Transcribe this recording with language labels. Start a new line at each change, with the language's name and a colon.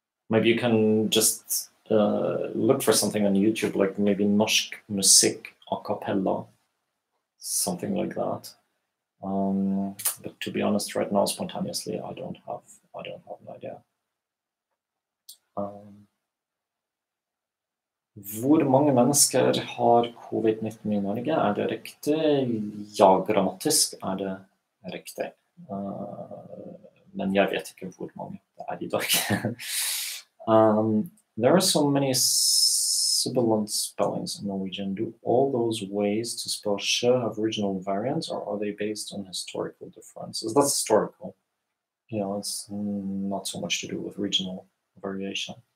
English: Maybe you can just look for something on YouTube, like maybe Norsk Musikk a cappella, something like that. But to be honest, right now, spontaneously, I don't have an idea.
Norwegian: Hvor mange mennesker har COVID-19 i Norge? Det riktig? Ja, grammatisk det riktig. Men jeg vet ikke hvor mange det i dag.
English: There are so many sibilant spellings in Norwegian. Do all those ways to spell sjø have regional variants, or are they based on historical differences? That's historical. You know, it's not so much to do with regional variation.